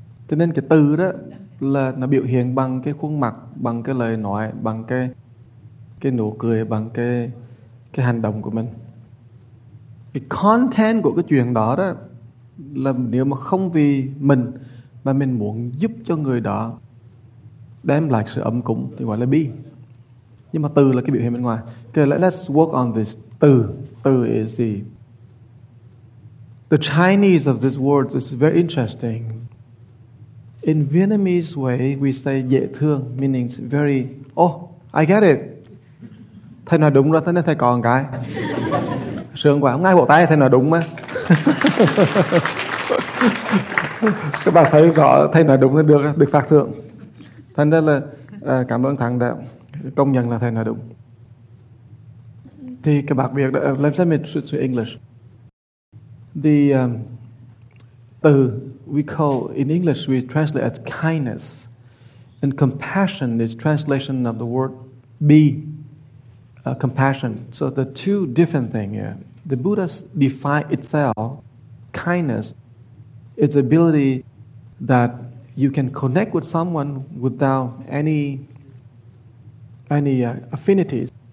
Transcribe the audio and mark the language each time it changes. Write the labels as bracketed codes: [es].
[vi] Cho nên cái từ đó là nó biểu hiện bằng cái khuôn mặt, bằng cái lời nói, bằng cái nụ cười, bằng cái hành động của mình. Cái content của cái chuyện đó đó là nếu mà không vì mình mà mình muốn giúp cho người đó đem lại sự ấm cúng thì gọi là be. Nhưng mà từ là cái biểu hiện bên ngoài. [en] Okay, let's work on this. Từ, từ is the Chinese of this word is very interesting. In Vietnamese way, we say dễ thương, meaning very, oh, I get it. [vi] Thầy nói đúng rồi, thế nên thầy còn cái. Sướng quá, không ai vỗ tay, thầy nói đúng mà. Các bạn thấy rõ, thầy nói đúng là được, được phạt thưởng. Thành ra là cảm ơn thằng đã công nhận là thầy nói đúng. Thì các bạn biết, làm sao mình [en] switch to English? The từ we call in English we translate as kindness, and compassion is translation of the word be, compassion. So the two different things here. The Buddha defined itself kindness, its ability that you can connect with someone without any affinities.